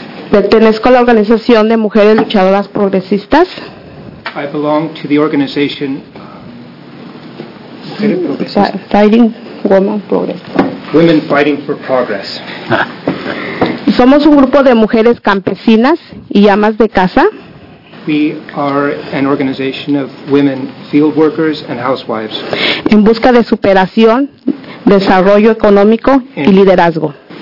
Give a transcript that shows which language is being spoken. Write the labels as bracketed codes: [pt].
[es] Pertenezco a la organización de mujeres luchadoras progresistas. [en] I belong to the organization Fighting Women Progress. Women Fighting for Progress. [es] Somos un grupo de mujeres campesinas y amas de casa. [en] We are an organization of women field workers and housewives. [es] En busca de superación, desarrollo económico y liderazgo.